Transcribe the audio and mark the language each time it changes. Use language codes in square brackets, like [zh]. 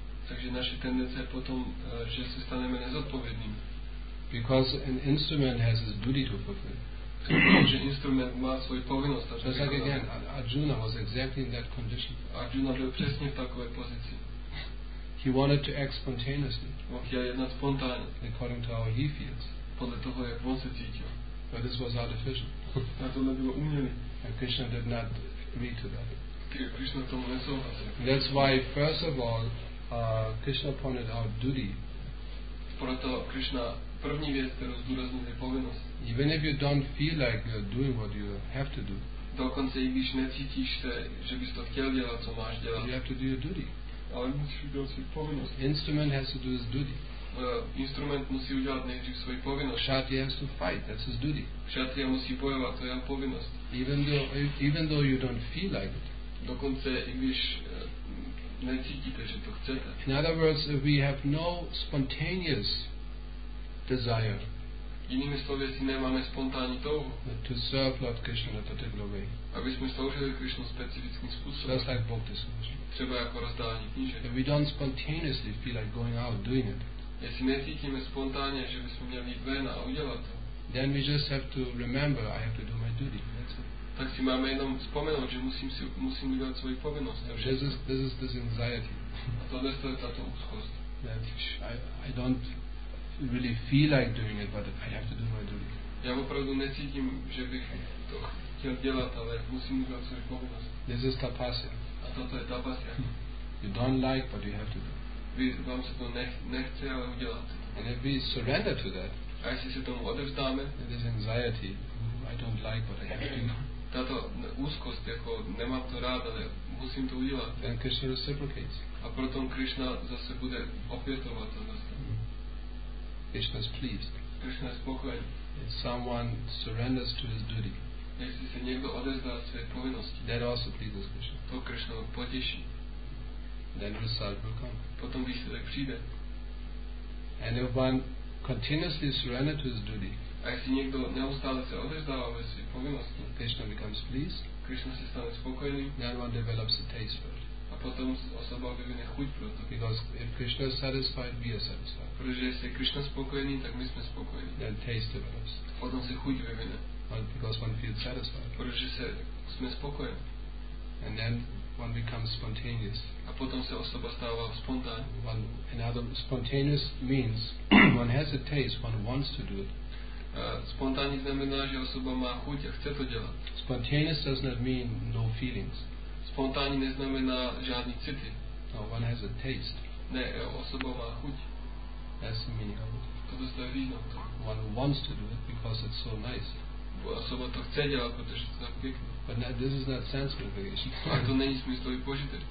[cs] Takže naše tendence je potom, že se staneme nezodpovědným. [en] Because an instrument has its duty to fulfill. [cs] Takže instrument má svoji povinnost. [en] Just like again, Arjuna was exactly in that condition. [cs] Arjuna byl přesně v takové pozici. [en] He wanted to act spontaneously. [cs] On chtěl jednat spontánně. [en] According to how he feels. [cs] Podle toho, jak on se cítil. [en] But this was artificial. [cs] A to nebylo umělé. [en] And Krishna did not agree to that. [cs] Krishna tomu nesouhlasil. [en] That's why, first of all, Krishna pointed out duty. [cs] Proto Krishna první věc, kterou zdůraznil, je povinnost. [en] Even if you don't feel like you're doing what you have to do. [cs] Dokonce i když necítíš se, že bys to chtěl dělat, co máš dělat. [en] You have to do your duty. [cs] Ale musíš udělat svou povinnost. [en] Instrument has to do his duty. [cs] Instrument musí udělat nejdřív svoji povinnost. [en] Kshatriya has to fight, that's his duty. [cs] Kshatriya musí bojovat, to je jeho povinnost. [en] Even though you don't feel like it. [cs] Dokonce i když necítíte, že to chcete. [en] In other words, we have no spontaneous desire. [cs] Jinými slovy, jestli nemáme spontánní touhu. [en] To serve Lord Krishna in a particular way. [cs] Aby jsme sloužili Krishnu specifickým způsobem. [en] Just like Bhakti Sanjay. [cs] Třeba jako rozdávání knížek. [en] If we don't spontaneously feel like going out doing it. [cs] Jestli necítíme spontánně, že bychom měli jít ven a udělat to. [en] Then we just have to remember, I have to do my duty. [cs] Tak si máme jenom vzpomenout, že musím udělat svoji povinnost. [en] This is this anxiety. [cs] A tohle je tato úzkost. [en] I don't really feel like doing it, but I have to do my duty. [cs] Já opravdu necítím, že bych to chtěl dělat, ale musím udělat svoji povinnost. [en] This is tapasya. [cs] A toto je tapasya. [en] You don't like, but you have to do. [cs] Vám se to nechce, ale udělat. [en] And if we surrender to that, [cs] a jestli se tomu odevzdáme, [en] this anxiety, I don't like, but I have to do. [cs] Tato úzkost, jako nemám to rád, ale musím to udělat. [en] Then Krishna reciprocates. [cs] A proto Krishna zase bude opětovat to zase. [en] Krishna is pleased. [cs] Krishna je spokojen. [en] If someone surrenders to his duty, [cs] jestli se někdo odevzdá své povinnosti, [en] that also pleases Krishna. [cs] To Krishna potěší. [en] Then result will come. [cs] Potom výsledek přijde. [en] And if one continuously surrenders to his duty, [cs] a jestli někdo neustále se odevzdává ve své povinnosti, [en] Krishna becomes pleased. [cs] Krishna se stane spokojený. [en] Then one develops a taste for it. [cs] A potom osoba vyvine chuť pro to. [en] Because if Krishna is satisfied, we are satisfied. [cs] Protože jestli je Krishna spokojený, tak my jsme spokojení. [en] Then taste develops. [cs] Potom se chuť vyvine. [en] Because one feels satisfied. [cs] Protože se jsme spokojení. [en] And then one becomes spontaneous. [cs] A potom se osoba stává spontánní. [en] Spontaneous means one has a taste, one wants to do it. [cs] Spontánní znamená, že osoba má chuť a chce to dělat. [en] Spontaneous does not mean no feelings. [cs] Spontánní neznamená žádný city. [en] No, one has a taste. [cs] Ne, osoba má chuť. [en] That's the meaning of it. [cs] To je význam toho. [en] One wants to do it because it's so nice. [cs] Osoba to chce dělat, protože to je tak pěkné. [en] But now, this is not sense gratification. [cs] A to není smyslový požitek.